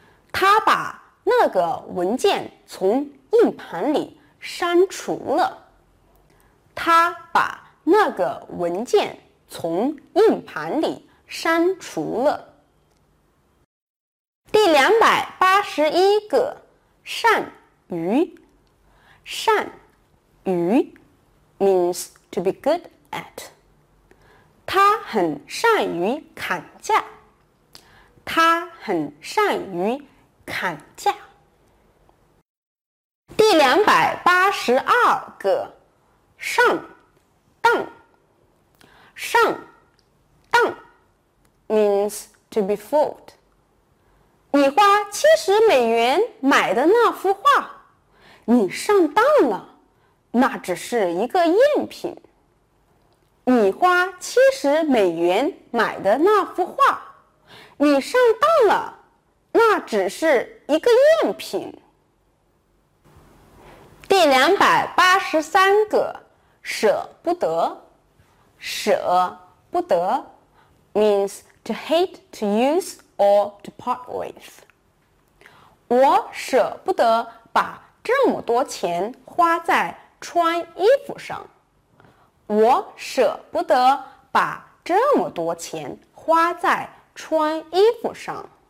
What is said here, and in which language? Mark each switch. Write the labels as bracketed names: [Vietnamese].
[Chinese] 他把那个文件从硬盘里删除了。他把那个文件从硬盘里删除了。第281个善于善于 [English] means to be good at. [Chinese] 他很善于砍价。他很善于砍价。第282个上当上当 [English] means to be fooled. [Chinese] 你花70美元买的那幅画，你上当了。那只是一个赝品。你花70美元买的那幅画，你上当了。那只是一个用品。第283个，舍不得，舍不得 [English] means to hate to use or to part with。 [Chinese] 我舍不得把这么多钱花在穿衣服上，我舍不得把这么多钱花在穿衣服上。